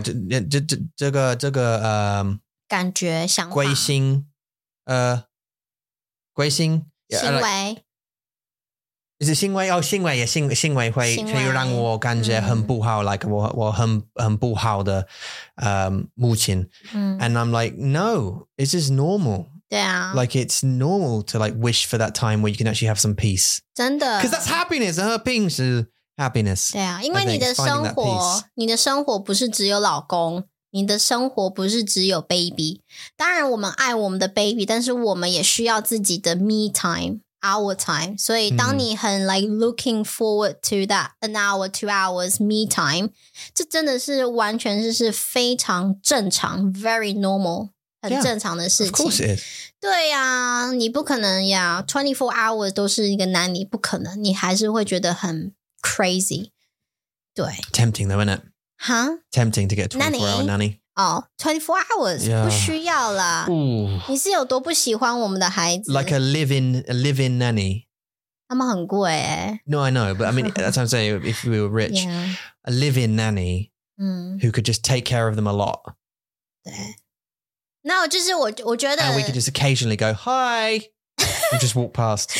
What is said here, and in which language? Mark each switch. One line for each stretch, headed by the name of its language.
Chinese: 这个感觉想法。归心。归心。行为。是行为？哦,行为,行为会让我感觉很不好, like 我很不好的母亲。 And I'm like, no, it's just normal. 对啊。
English: Like it's normal to like wish for that time where you can actually have some peace.
Chinese: 真的。
English: Because that's happiness, 和平是 happiness.
Chinese: 对啊，因为你的生活，你的生活不是只有老公，你的生活不是只有 baby. 当然我们爱我们的 baby, 但是我们也需要自己的 me time, our time. 所以当你很 like looking forward to that an hour, 2 hours me time, 这真的是完全是非常正常， very normal. 很正常的事情
English: yeah, of course it is.
Chinese: 对啊你不可能呀 24 hours 都是一个男女不可能你还是会觉得很 crazy 对
English: Tempting though isn't it Huh? Tempting to get a 24 hour nanny Oh 24 hours、 yeah.
Chinese: 不需要啦、 Ooh. 你是有多不喜欢我们的孩子
English: Like a live-in nanny
Chinese: 他们很贵耶
English: No I know but I mean that's what I'm saying if we were rich、 yeah. A live-in nanny、Who could just take care of them a lot
Chinese: 对那、 no, 就是我觉得
English: And we could just occasionally go Hi And just walk past